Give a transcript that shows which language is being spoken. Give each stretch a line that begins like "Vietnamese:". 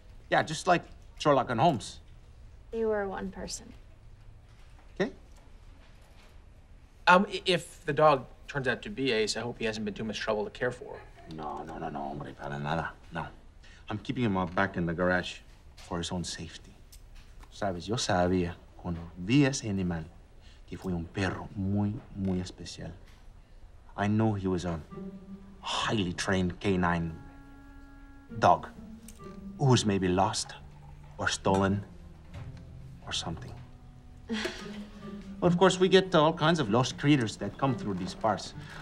English: Yeah, just like Sherlock and Holmes. You were one person. Okay. If the dog turns out to be Ace, I hope he hasn't been too much trouble to care for.
Spanish: No, hombre, para nada. No.
English: I'm keeping him up back in the garage for his own safety.
Spanish: Sabes, yo sabía cuando vi ese animal que fue un perro muy, muy especial.
English: I know he was a highly trained canine dog who was maybe lost or stolen or something. But of course, we get all kinds of lost creatures that come through these parts.